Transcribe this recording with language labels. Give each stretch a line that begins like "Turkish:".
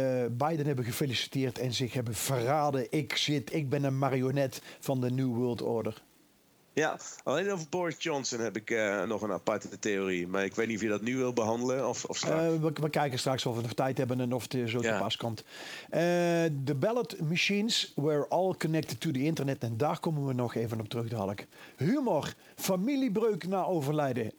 Dutch: Biden hebben gefeliciteerd en zich hebben verraden. Ik ben een marionet van de New World Order. Ja, alleen over Boris Johnson heb ik nog een aparte theorie. Maar ik weet niet of je dat nu wil behandelen of straks. We kijken straks of we nog tijd hebben en of het zo te pas komt.
English: The ballot machines were all connected to the internet.
Dutch: En daar komen we nog even op terug, dadelijk. Humor, familiebreuk na overlijden.